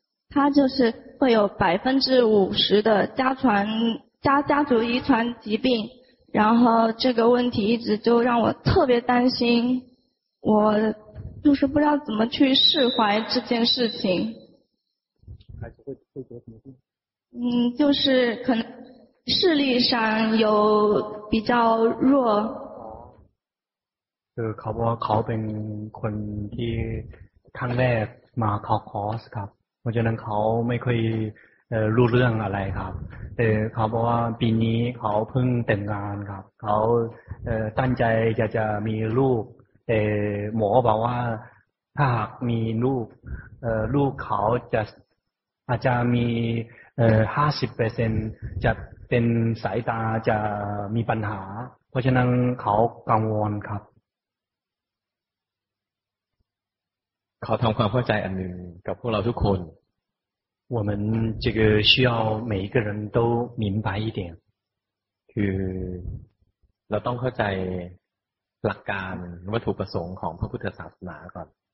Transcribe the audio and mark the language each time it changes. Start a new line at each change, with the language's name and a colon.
Chinese: 他就是会有50%的家族遗传疾病，然后这个问题一直就让我特别担心，我就是不知道怎么去释怀这件事情。孩子会得什么病？就是可能视力上有比较弱。
Thai: คือเขาบอกว่าเขาเป็นคนที่ครั้งแรกมาเข้าคอร์สครับเพราะฉะนั้นเขาไม่ค่อยรู้เรื่องอะไรครับแต่เขาบอกว่าปีนี้เขาเพิ่งแต่งงานครับเขา ตั้งใจจะมีลูกแต่หมอบอกว่าถ้าหากมีลูกลูกเขาจะอาจจะมี50%จะเป็นสายตาจะมีปัญหาเพราะฉะนั้นเขากังวลครับ ขอทำความเข้าใจอันหนึ่งกับพวกเราทุกคน
Chinese: 我们这个需要每一个人都明白一点
Thai: คือเราต้องเข้าใจหลักการวัตถุประสงค์ของพระพุทธศาสนาก่อน